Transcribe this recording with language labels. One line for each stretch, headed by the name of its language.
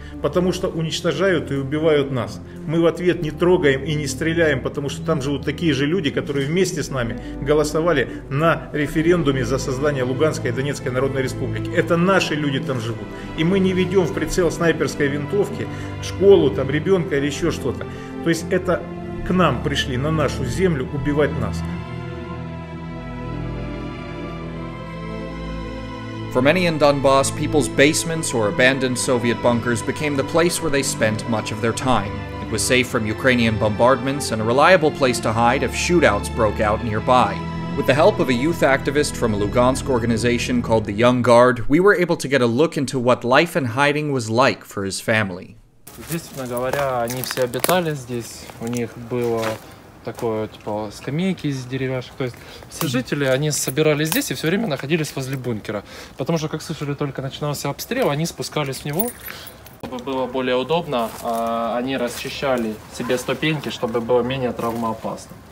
Russian: Потому что уничтожают и убивают нас. Мы в ответ не трогаем и не стреляем, потому что там живут такие же люди, которые вместе с нами голосовали на референдуме за создание Луганской и Донецкой Народной Республики. Это наши люди там живут. И мы не ведем в прицел снайперской винтовки школу, там, ребенка или еще что-то. То есть это к нам пришли на нашу землю убивать нас.
English: For many in Donbass, people's basements or abandoned Soviet bunkers became the place where they spent much of their time. It was safe from Ukrainian bombardments and a reliable place to hide if shootouts broke out nearby. With the help of a youth activist from a Lugansk organization called the Young Guard, we were able to get a look into what life in hiding was like for his family.
Russian: Естественно говоря, они все обитали здесь. У них было такое, типа, скамейки из деревяшек. То есть все жители, они собирались здесь и все время находились возле бункера. Потому что, как слышали, только начинался обстрел, они спускались в него. Чтобы было более удобно, они расчищали себе ступеньки, чтобы было менее травмоопасно.